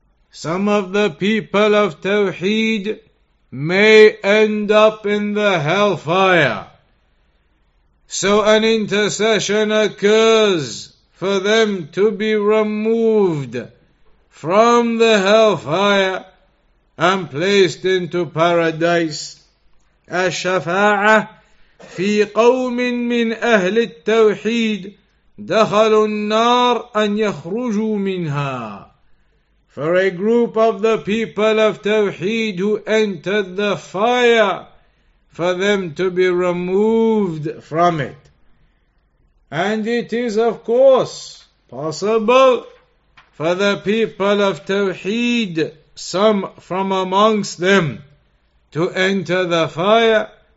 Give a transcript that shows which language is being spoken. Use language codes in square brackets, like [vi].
[en] Some of the people of Tawheed may end up in the hellfire. So an intercession occurs for them to be removed from the hellfire and placed into paradise. [ar] الشفاعه في قوم من اهل التوحيد دخلوا النار أن يخرجوا منها. [en] For a group of the people of Tawheed who entered the fire, for them to be removed from it. And it is of course possible for the people of Tawheed, some from amongst them, to enter the fire,